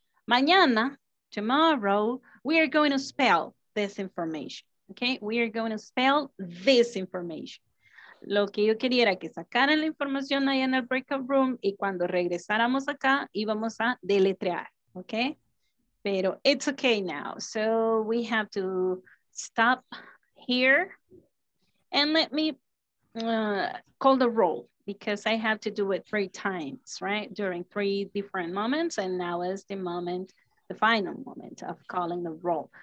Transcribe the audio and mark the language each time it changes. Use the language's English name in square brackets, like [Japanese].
[English] Mañana, tomorrow, we are going to spell this information. Okay, we are going to spell this information. [Spanish] Lo que yo quería era que sacaran la información ahí en el breakout room y cuando regresáramos acá íbamos a deletrear. [English] Okay, pero it's okay now. So we have to stop here and let me call the roll because I have to do it three times, right? During three different moments, and now is the moment, the final moment of calling the roll.